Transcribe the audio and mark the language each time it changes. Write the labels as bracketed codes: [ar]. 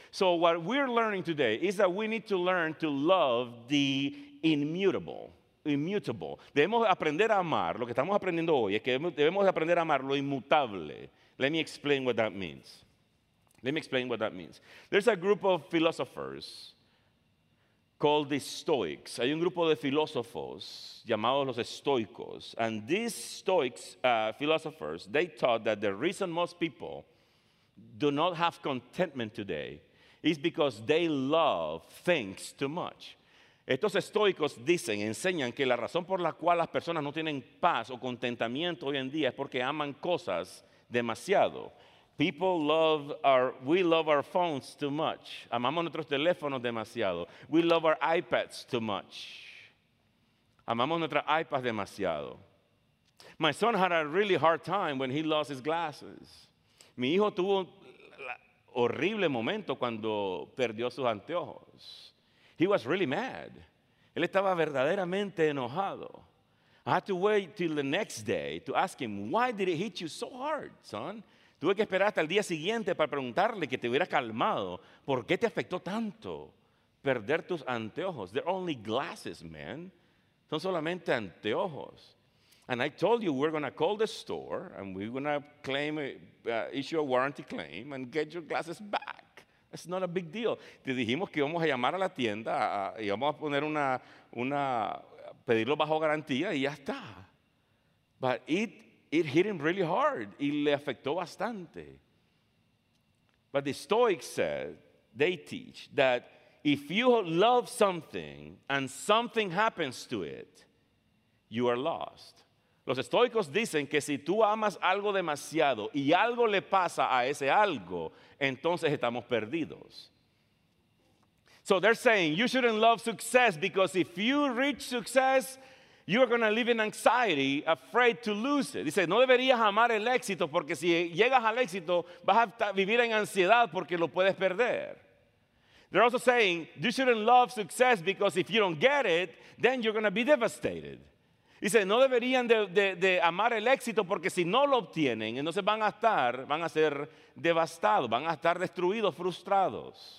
[en] So what we're learning today is that we need to learn to love the immutable. [es] Debemos aprender a amar, lo que estamos aprendiendo hoy es que debemos aprender a amar lo inmutable. [en] Let me explain what that means. There's a group of philosophers called the Stoics. [es] Hay un grupo de filósofos llamados los estoicos. [en] And these Stoics philosophers, they taught that the reason most people do not have contentment today is because they love things too much. [es] Estos estoicos dicen, enseñan que la razón por la cual las personas no tienen paz o contentamiento hoy en día es porque aman cosas demasiado. [en] We love our phones too much. [es] Amamos nuestros teléfonos demasiado. [en] We love our iPads too much. [es] Amamos nuestras iPads demasiado. [en] My son had a really hard time when he lost his glasses. [es] Mi hijo tuvo un horrible momento cuando perdió sus anteojos. [en] He was really mad. [es] Él estaba verdaderamente enojado. [en] I had to wait till the next day to ask him, why did it hit you so hard, son? [es] Tuve que esperar hasta el día siguiente para preguntarle que te hubiera calmado. ¿Por qué te afectó tanto perder tus anteojos? [en] They're only glasses, man. [es] Son solamente anteojos. [en] And I told you we're going to call the store and we're going to issue a warranty claim and get your glasses back. It's not a big deal. [es] Te dijimos que íbamos a llamar a la tienda y íbamos a poner pedirlo bajo garantía y ya está. [en] But it hit him really hard. [es] Y le afectó bastante. [en] But the Stoics said, they teach that if you love something and something happens to it, you are lost. [es] Los estoicos dicen que si tú amas algo demasiado y algo le pasa a ese algo, entonces estamos perdidos. [en] So they're saying, you shouldn't love success because if you reach success, you are going to live in anxiety, afraid to lose it. [es] Dice, no deberías amar el éxito porque si llegas al éxito, vas a vivir en ansiedad porque lo puedes perder. [en] They're also saying, you shouldn't love success because if you don't get it, then you're going to be devastated. [es] Dice, no deberían de amar el éxito porque si no lo obtienen, entonces van a ser devastados, van a estar destruidos, frustrados.